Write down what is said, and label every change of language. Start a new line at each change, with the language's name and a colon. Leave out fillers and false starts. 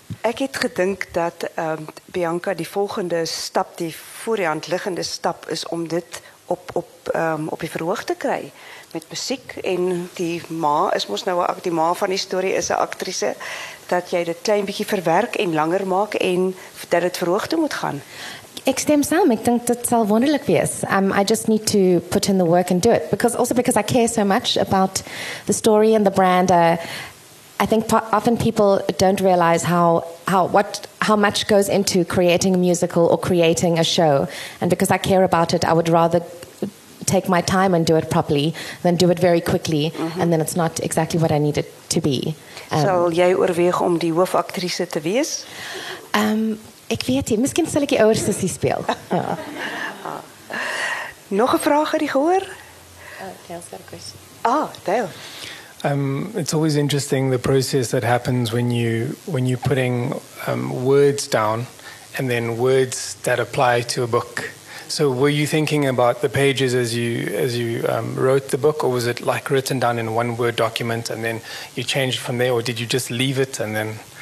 Afrikaans: Ek het gedink dat Bianca, die volgende stap, die voor die hand liggende stap, is om dit op die verhoog te kry, met muziek. En die ma is mos nou, die ma van die story is 'n actrice, dat jy dit klein bietjie verwerk en langer maak, en dat het verhoog toe moet gaan. Ek stem saam, ek dink dit sal wonderlik wees.
English: I just need to put in the work and do it. Because I care so much about the story and the brand. I think often people don't realize how much goes into creating a musical or creating a show. And because I care about it, I would rather take my time and do it properly than do it very quickly. Mm-hmm. And then it's not exactly what I need it to be.
Afrikaans: Sal jy oorweeg om die hoofaktrise te wees? Ek weet nie, miskien sal ek die ouer sussie speel. Ja. Nog 'n vraag uit die gehoor? Ah, Dale.
English: It's always interesting the process that happens when you're putting words down and then words that apply to a book. So were you thinking about the pages as you wrote the book, or was it like written down in one word document and then you changed from there, or did you just leave it and then?